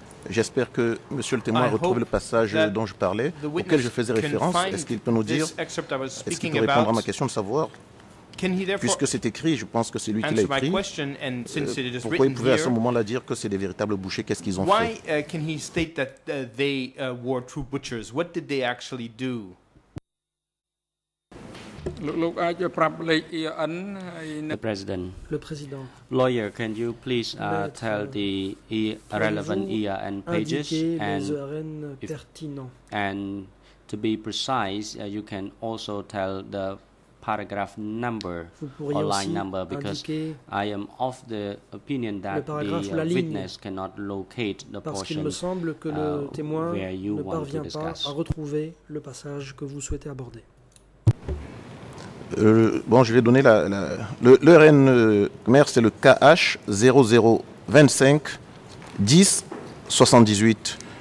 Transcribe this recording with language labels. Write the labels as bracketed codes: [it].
[fr] J'espère que Monsieur le témoin a retrouvé le passage dont je parlais, auquel je faisais référence. Est-ce qu'il peut nous dire, est-ce qu'il peut répondre à ma question de savoir, puisque c'est écrit, je pense que c'est lui qui l'a écrit, pourquoi il pouvait à ce moment-là dire que c'est des véritables bouchers, qu'est-ce qu'ils ont fait? [en] Can he state that they were true butchers? What did they actually do? The President. Lawyer, can you please tell the relevant ERN pages and, ERN pertinents? And to be precise, you can also tell the paragraph number or line number, because I am of the opinion that the witness cannot locate the portion where you want to discuss. [fr] À retrouver le passage que vous souhaitez aborder. Bon, je vais donner le RN Khmer, c'est le KH 00 25 10 78.